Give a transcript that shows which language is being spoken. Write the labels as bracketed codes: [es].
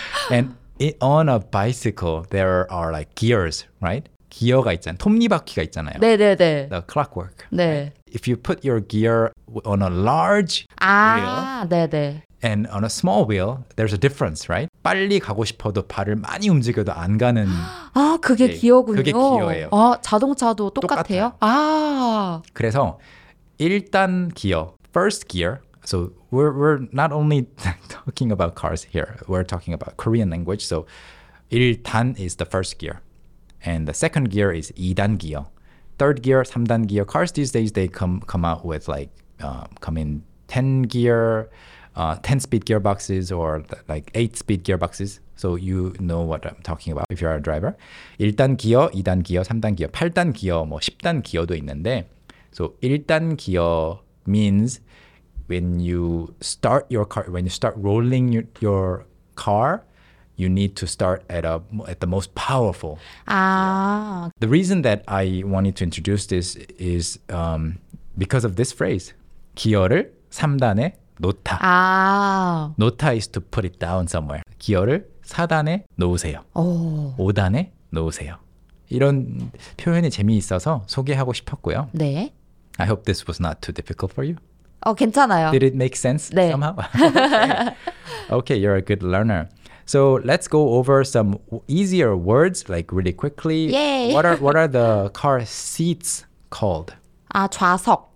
[en] And on a bicycle, there are like gears, right? [ko] 기어가 있잖아요. 톱니바퀴가 있잖아요. 네, 네, 네. [en] The clockwork. [ko] 네. [en] Right? If you put your gear on a large [ko] 아, [en] wheel, [ko] 네, 네. [en] And on a small wheel, there's a difference, right? [ko] 빨리 가고 싶어도 발을 많이 움직여도 안 가는. 아, 그게 네, 기어군요. 그게 기어예요. 아, 자동차도 똑같아요? 똑같아요. 아. 그래서 일단 기어, [en] first gear. So we're not only talking about cars here. We're talking about Korean language. So 1단 is the first gear. And the second gear is 2단 gear. Third gear, 3단 gear. Cars these days, they come out with like, come in 10 gear, 10-speed gearboxes or like 8-speed gearboxes. So you know what I'm talking about if you're a driver. [ko] 1단 기어, 2단 기어, 3단 기어, 8단 기어, 뭐 10단 기어도 있는데. [en] So 1단 기어 means when you start your car, when you start rolling your car, you need to start at the most powerful. Ah. The reason that I wanted to introduce this is because of this phrase. [ko] 기어를 3단에 놓다. 아. [en] 놓다 is to put it down somewhere. [ko] 기어를 4단에 놓으세요. 오. 5단에 놓으세요. 이런 표현이 재미있어서 소개하고 싶었고요. 네. [en] I hope this was not too difficult for you. [ko] 어, 괜찮아요. [en] Did it make sense [ko] 네. [en] somehow? Okay, you're a good learner. So let's go over some easier words, like really quickly. Yay! What are the car seats called? [ko] 아, 좌석.